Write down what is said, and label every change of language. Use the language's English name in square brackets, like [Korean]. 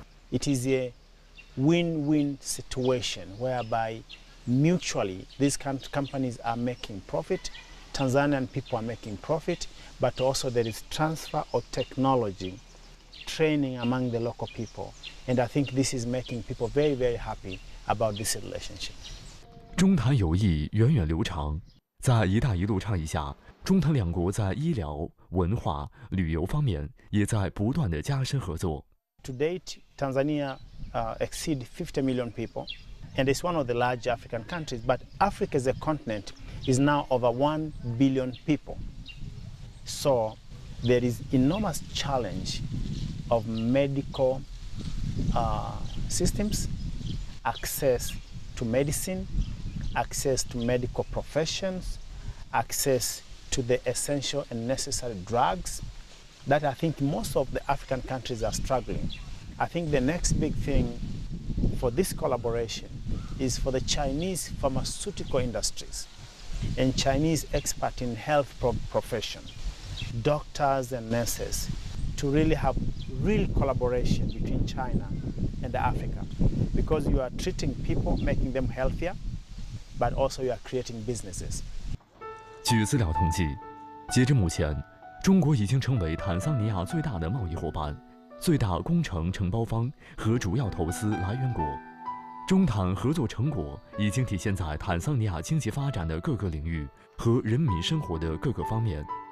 [English] It is a win-win situation whereby mutually these companies are making profit, Tanzanian people are making profit, but also there is transfer of technology, training among the local people. And I think this is making people very, very happy about this relationship. [Chinese] 中坦友谊源远流长，在一带一路倡议下，中坦两国在医疗、文化、旅游方面也在不断地加深合作。 [English] To date, Tanzania exceed 50 million people, and it's one of the large African countries. But Africa as a continent is now over 1 billion people. So there is enormous challenge of medical systems, access to medicine, access to medical professions, access to the essential and necessary drugs that I think most of the African countries are struggling. I think the next big thing for this collaboration is for the Chinese pharmaceutical industries and Chinese experts in health profession, doctors and nurses, to really have real collaboration between China and Africa. Because you are treating people, making them healthier, but also you are creating businesses. [Chinese] 据资料统计，截至目前，中国已经成为坦桑尼亚最大的贸易伙伴。最大工程承包方和主要投资来源国，中坦合作成果已经体现在坦桑尼亚经济发展的各个领域和人民生活的各个方面。